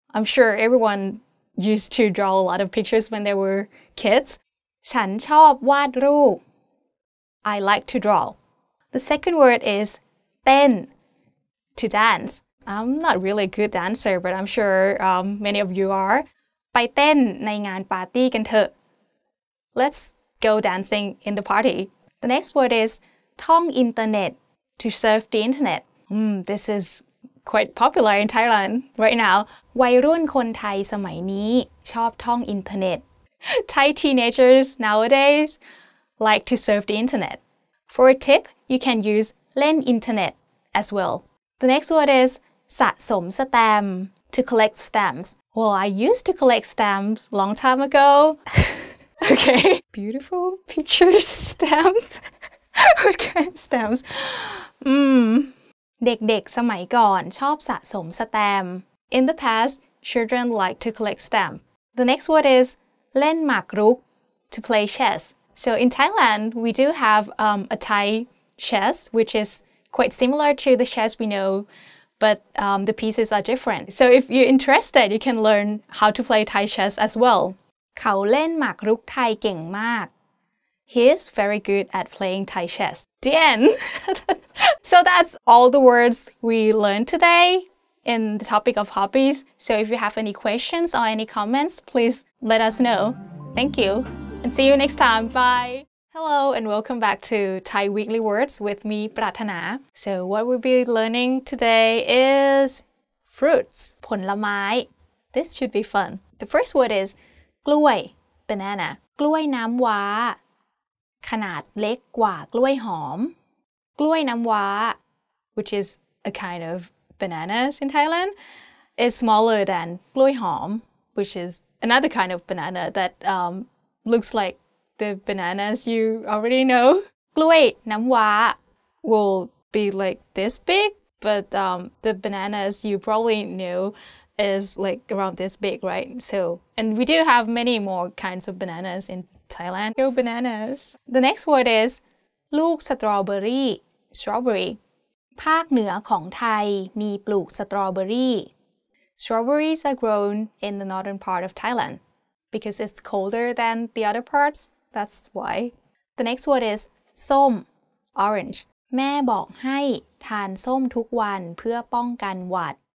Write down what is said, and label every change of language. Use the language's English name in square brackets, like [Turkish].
[English] I'm sure everyone used to draw a lot of pictures when they were kids. [Thai] ฉันชอบวาดรูป [English] I like to draw. The second word is [Thai] เต้น [English] To dance. I'm not really a good dancer, but I'm sure many of you are. [Thai] ไปเต้นในงานปาร์ตี้กันเถอะ [English] Let's go dancing in the party. The next word is [Thai] ท่องอินเทอร์เน็ต [English] To surf the internet. This is... Quite popular in Thailand right now. [Thai] วัยรุ่นคนไทยสมัยนี้ชอบท่องอินเทอร์เน็ต [English] Thai teenagers nowadays like to surf the internet. For a tip, you can use [Thai] เล่นอินเทอร์เน็ต [English] as well. The next word is [Thai] สะสมสแตมป์ [English] to collect stamps. Well, I used to collect stamps long time ago. Okay. Beautiful pictures, stamps. What kind of stamps? [Thai] เด็กๆสมัยก่อนชอบสะสมสแตมป์ [English] In the past, children like to collect stamps. The next word is [Thai] เล่นหมากรุก [English] to play chess. So in Thailand, we do have a Thai chess, which is quite similar to the chess we know, but the pieces are different. So if you're interested, you can learn how to play Thai chess as well. [Thai] เขาเล่นหมากรุกไทยเก่งมาก [English] He is very good at playing Thai chess. The end. So that's all the words we learned today in the topic of hobbies. So if you have any questions or any comments, please let us know. Thank you. And see you next time. Bye. Hello and welcome back to Thai Weekly Words with me, Prathana. So what we'll be learning today is fruits. [Thai] ผลไม้ [English] This should be fun. The first word is [Thai] กล้วย [English] banana. [Thai] กล้วยน้ำว้าขนาดเล็กกว่ากล้วยหอมกล้วยน้ำว้า [English] which is a kind of bananas in Thailand is smaller than [Thai] กล้วยหอม [English] which is another kind of banana that looks like the bananas you already know [Thai] กล้วยน้ำว้า [English] will be like this big but the bananas you probably knowis like around this big, right? So, and we do have many more kinds of bananas in Thailand. Go bananas! The next word is [Thai] ลูกสตรอเบอรี่ [English] strawberry. [Thai] ภาคเหนือของไทยมีปลูกสตรอเบอรี่ [English] Strawberries are grown in the northern part of Thailand because it's colder than the other parts. That's why. The next word is [Thai] ส้ม [English] orange. [Thai] แม่บอกให้ทานส้มทุกวันเพื่อป้องกันหวัด